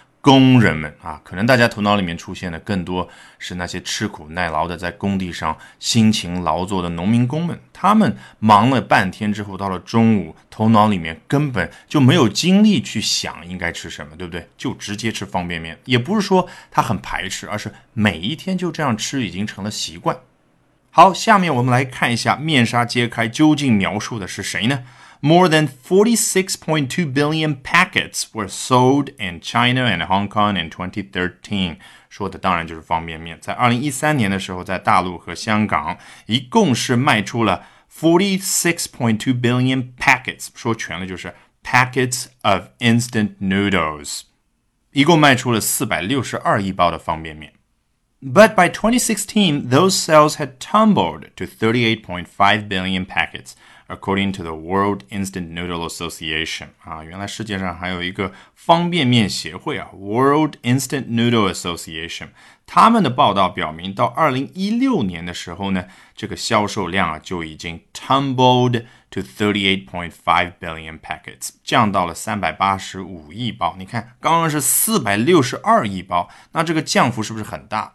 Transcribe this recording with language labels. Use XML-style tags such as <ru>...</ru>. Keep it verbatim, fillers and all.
<zh>工人们啊，可能大家头脑里面出现的更多是那些吃苦耐劳的在工地上辛勤劳作的农民工们，他们忙了半天之后，到了中午，头脑里面根本就没有精力去想应该吃什么，对不对？就直接吃方便面。也不是说他很排斥，而是每一天就这样吃已经成了习惯。好，下面我们来看一下面纱揭开究竟描述的是谁呢？</zh> <en>More than forty-six point two billion packets were sold in China and Hong Kong in twenty thirteen.</en> <zh>说的当然就是方便面。在二零一三年的时候，在大陆和香港一共是卖出了</zh> <en>forty-six point two billion packets，</en> <zh>说全了就是</zh> <en>packets of instant noodles，</en> <zh>一共卖出了四百六十二亿包的方便面。</zh> <en>But by twenty sixteen, those sales had tumbled to thirty-eight point five billion packets. according to the World Instant Noodle Association.</en> <zh>啊，原来世界上还有一个方便面协会啊 ，World Instant Noodle Association。他们的报道表明，到二零一六年的时候呢，这个销售量啊就已经</zh> <en>tumbled to thirty-eight point five billion packets，</en> <zh>降到了三百八十五亿包。你看，刚刚是四百六十二亿包，那这个降幅是不是很大？</zh>